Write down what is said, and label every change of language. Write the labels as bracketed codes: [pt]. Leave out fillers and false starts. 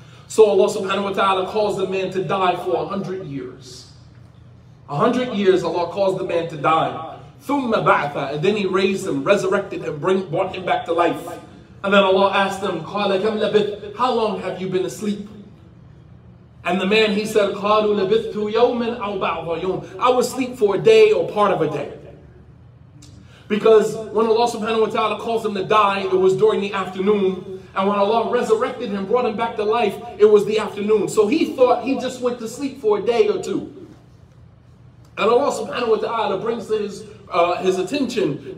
[en] So Allah subhanahu wa ta'ala caused the man to die for 100 years. 100 years Allah caused the man to die. [ar] ثُمَّ بَعْثَ. [en] And then he raised him, resurrected him, brought him back to life. And then Allah asked him, [ar] قَالَ كَمْ لَبِثْ. [en] How long have you been asleep? And the man, he said, [ar] قَالُوا لَبِثْتُ يَوْمًا أَوْ بَعْضَ يَوْمٍ. [en] I will sleep for a day or part of a day. Because when Allah subhanahu wa ta'ala caused him to die, it was during the afternoon. And when Allah resurrected him, brought him back to life, it was the afternoon. So he thought he just went to sleep for a day or two. And Allah subhanahu wa ta'ala brings his attention.